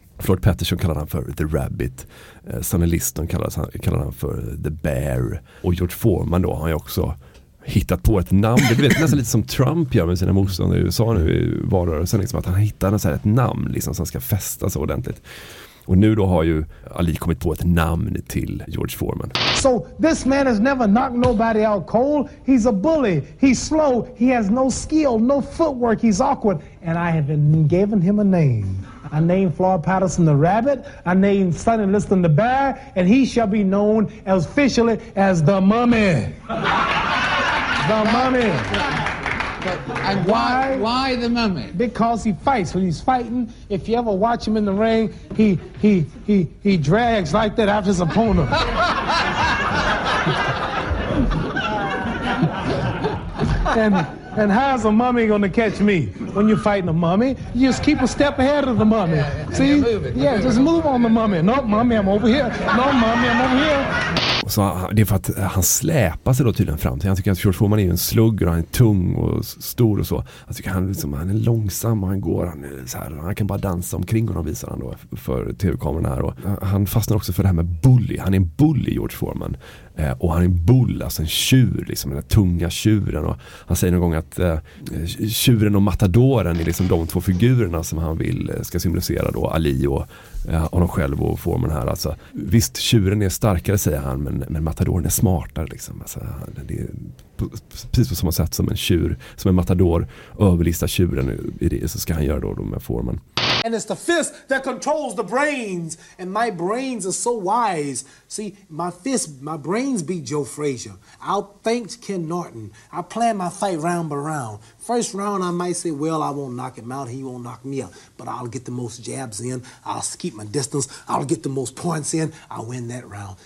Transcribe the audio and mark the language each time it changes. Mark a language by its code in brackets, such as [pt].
[sv] Floyd Patterson kallade han för The Rabbit. Sonny Liston kallade han för The Bear. Och George Foreman då har ju också hittat på ett namn. Det blir nästan lite som Trump gör med sina motståndare i USA nu i valrörelsen. Liksom att han hittar något så här, ett namn liksom, som ska fästa så ordentligt. Och nu då har ju Ali kommit på ett namn till George Foreman. [en] So this man has never knocked nobody out cold. He's a bully. He's slow. He has no skill, no footwork. He's awkward. And I have been given him a name. I named Floyd Patterson the Rabbit. I named Sonny Liston the Bear. And he shall be known as officially as the Mummy. The Mummy. And why the Mummy? Because he fights. When he's fighting, if you ever watch him in the ring, he drags like that after his opponent. And how's a mummy gonna catch me when you're fighting a mummy? You just keep a step ahead of the mummy. See? Yeah, just move on the mummy. No mummy, I'm over here. No mummy, I'm over here. [sv] Så det är för att han släpar sig då tydligen fram till. Han tycker att George Foreman är en slugger, han är tung och stor och så. Han tycker att han, liksom, han är långsam och han går, han är så här, han kan bara dansa omkring honom, visar han då för tv-kameran här. Och han fastnar också för det här med bully. Han är en bully, George Foreman. Och han är en bull, alltså en tjur, liksom, den tunga tjuren. Och han säger någon gång att tjuren och matadoren är liksom de två figurerna som han vill ska symbolisera då, Ali och honom själv och Foreman här. Alltså, visst, tjuren är starkare, säger han, men matadoren är smartare. Liksom. Alltså, det är precis på samma sätt som en tjur, som en matador överlistar tjuren i det, så ska han göra då med Foreman. [en] And it's the fist that controls the brains. And my brains are so wise. See, my fist, my brains beat Joe Frazier. Outthink Ken Norton. I plan my fight round by round. First round, I might say, well, I won't knock him out. He won't knock me out. But I'll get the most jabs in. I'll keep my distance. I'll get the most points in. I'll win that round.